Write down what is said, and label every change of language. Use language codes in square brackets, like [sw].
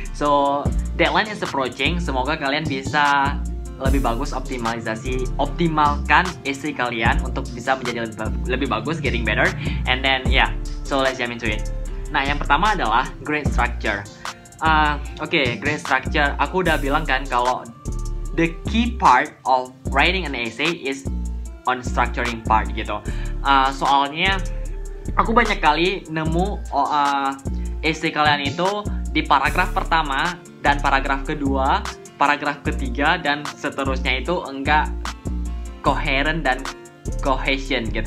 [en] So, deadline is approaching. [id] Semoga kalian bisa lebih bagus optimalkan essay kalian untuk bisa menjadi lebih bagus, [en] getting better. And then yeah, so let's jump into it. [id] Nah, yang pertama adalah grade structure. Grade structure. Aku udah bilang kan kalau [en] the key part of writing an essay is on structuring part [id] gitu. Soalnya aku banyak kali nemu essay kalian itu di paragraf pertama dan paragraf kedua, paragraf ketiga dan seterusnya itu enggak coherent dan cohesion gitu.